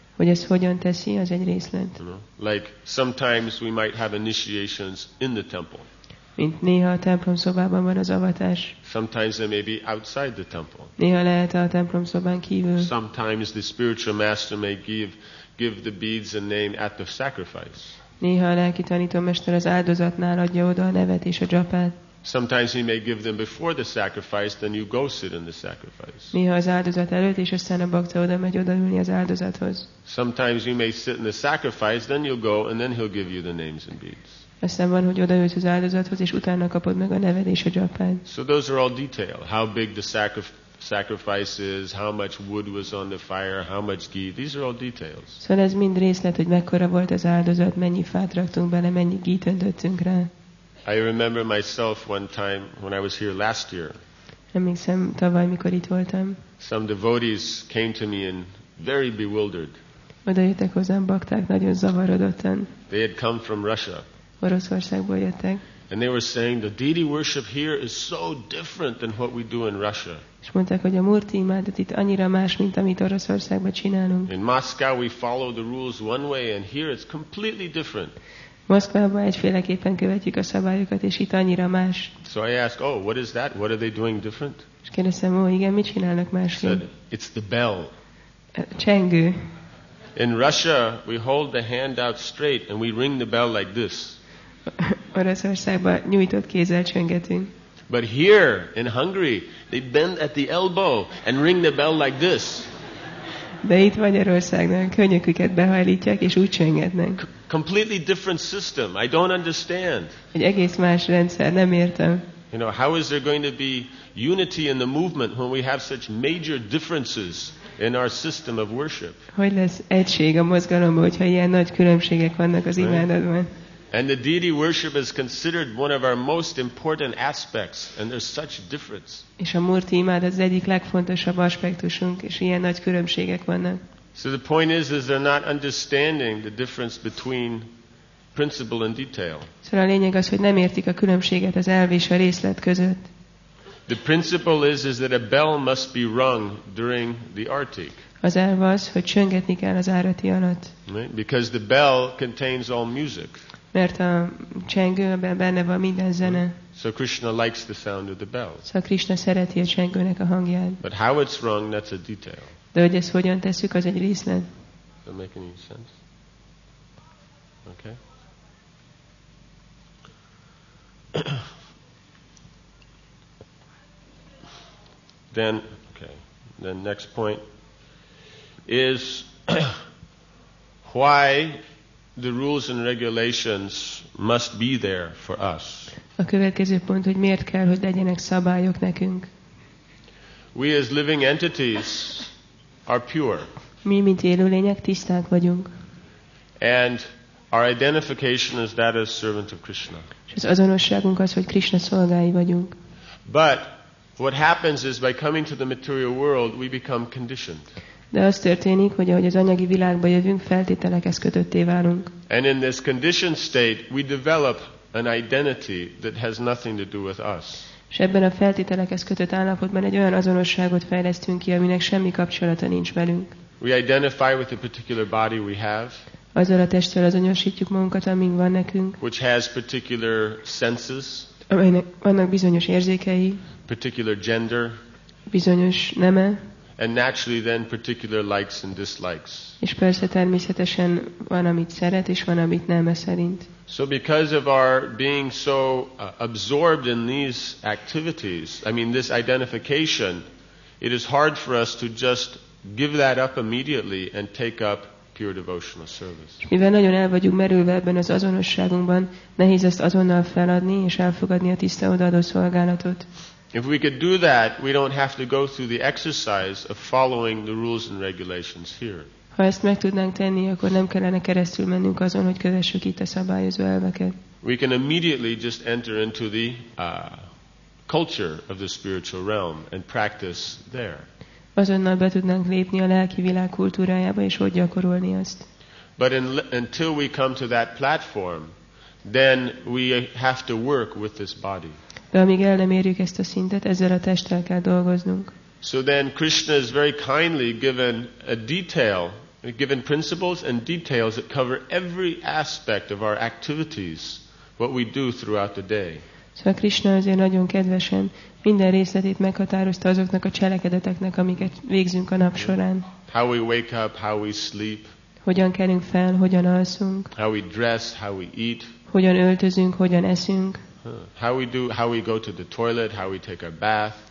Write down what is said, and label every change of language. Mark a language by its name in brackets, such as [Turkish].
[Hungarian] Hogy ezt hogyan teszi, az egy részlet. [English] You know? Like sometimes we might have initiations in the temple. [Hungarian] Mint néha a templom szobában van az avatás. [English] Sometimes they may be outside the temple. [Hungarian] Néha lehet a templom szobán kívül. [English] Sometimes the spiritual master may give the beads a name at the sacrifice. [Hungarian] Néha a lelki tanítómester az áldozatnál adja oda a nevet és a dzsapát. [English] Sometimes he may give them before the sacrifice, then you go sit in the sacrifice. [Hungarian] Néha az áldozat előtt és aztán a bakta oda megy odaülni az áldozathoz. [English] Sometimes you may sit in the sacrifice, then you go and then he'll give you the names and beads. [Hungarian] Aztán van, hogy odaülsz az áldozathoz, és utána kapod meg a neved és a dzsapád. [English] So those are all detail. How big the sacrifice is, how much wood was on the fire, how much ghee. These are all details. [Hungarian] Szóval ez mind részlet, hogy mekkora volt az áldozat, mennyi fát raktunk bele, mennyi ghee-t öntöttünk rá. [English] I remember myself one time when I was here last year. [Hungarian] Emlékszem tavaly, mikor itt voltam. [English] Some devotees came to me and very bewildered. [Hungarian] Oda jöttek hozzám bakták, nagyon zavarodottan. [English] They had come from Russia. [Hungarian] Oroszországból jöttek. [English] And they were saying the deity worship here is so different than what we do in Russia. [Hungarian] És mondták, hogy a murti imádat itt annyira más, mint amit Oroszországban csinálunk. [English] In Moscow we follow the rules one way and here it's completely different. [Hungarian] Moszkvában egyféleképpen követjük a szabályokat, és itt annyira más. [English] So I ask, oh, what is that? What are they doing different? [Hungarian] És kérdeztem, ó, igen, mit csinálnak másként? [English] It's the bell. [Hungarian] Csengő. [English] In Russia, we hold the hand out straight and we ring the bell like this. [Hungarian] Oroszországban nyújtott kézzel csöngetünk. [English] But here in Hungary, they bend at the elbow and ring the bell like this. [Hungarian] De itt Magyarországnál könyöküket behajlítják és úgy csöngetnek. [English] Completely different system. I don't understand. [Hungarian] Egy egész más rendszer, nem értem. [English] You know, how is there going to be unity in the movement when we have such major differences in our system of worship? [Hungarian] Hogy lesz egység a mozgalomban, hogyha ilyen nagy különbségek vannak az imádatban? [English] And the deity worship is considered one of our most important aspects, and there's such difference. [Hungarian] És a murti imád az egyik legfontosabb aspektusunk, és ilyen nagy különbségek vannak. [English] So the point is they're not understanding the difference between principle and detail. [Hungarian] Szóval a lényeg az, hogy nem értik a különbséget az elv és a részlet között. [English] The principle is that a bell must be rung during the artik. [Hungarian] Az elv az, hogy csöngetni kell az árati alatt. [English] Right? Because the bell contains all music. [Hungarian] Mert a csengőben benne van minden zene. [English] So Krishna likes the sound of the bell. [Hungarian] Szóval Krishna szereti a csengőnek a hangját. [English] But how it's rung, that's a detail. [Hungarian] De hogy ezt hogyan tesszük, az egy részlet. [English] Does that make any sense? Okay. Then, okay. Then next point is why the rules and regulations must be there for us. [Hungarian] A következő pont, hogy miért kell, hogy legyenek szabályok nekünk. [English] We as living entities are pure. [Hungarian] Mi, mint élő lények, tiszták vagyunk. [English] And our identification is that as servant of Krishna. [Hungarian] És az azonosságunk az, hogy Krishna szolgái vagyunk. [English] But what happens is by coming to the material world, we become conditioned. [Hungarian] De az történik, hogy ahogy az anyagi világba jövünk, feltételekhez kötötté válunk. [English] And in this conditioned state, we develop an identity that has nothing to do with us. [Hungarian] És ebben a feltételekhez kötött állapotban egy olyan azonosságot fejlesztünk ki, aminek semmi kapcsolata nincs velünk. [English] We identify with the particular body we have. [Hungarian] Azzal a testtel azonosítjuk magunkat, amink van nekünk. [English] Which has particular senses. [Hungarian] amelynek vannak bizonyos érzékei, [English] particular gender, [Hungarian] bizonyos neme, [English] and naturally then particular likes and dislikes. [Hungarian] És persze természetesen van, amit szeret, és van, amit neme szerint. [English] So because of our being so absorbed in these activities, I mean this identification, it is hard for us to just give that up immediately and take up pure devotional service. [Hungarian] Mivel nagyon el vagyunk merülve ebben az azonosságunkban, nehéz ezt azonnal feladni és elfogadni a tiszta odaadó szolgálatot. [English] If we could do that, we don't have to go through the exercise of following the rules and regulations here. [Hungarian] Ha ezt meg tudnánk tenni, akkor nem kellene keresztül mennünk azon, hogy kövessük itt a szabályozó elveket. [English] We can immediately just enter into the culture of the spiritual realm and practice there. [Hungarian] Azonnal be tudnánk lépni a lelki világ kultúrájába és ott gyakorolni azt. [English] But until we come to that platform, then we have to work with this body. [Hungarian] De amíg el nem érjük ezt a szintet, ezzel a testtel kell dolgoznunk. [English] So then Krishna is very kindly given a detail, given principles and details that cover every aspect of our activities, what we do throughout the day. [Hungarian] Szóval Krishna azért nagyon kedvesen minden részletét meghatározta azoknak a cselekedeteknek, amiket végzünk a nap során. [English] How we wake up, how we sleep. [Hungarian] Hogyan kelünk fel, hogyan alszunk. [English] How we dress, how we eat. [Hungarian] Hogyan öltözünk, hogyan eszünk. [English] How we go to the toilet, how we take a bath.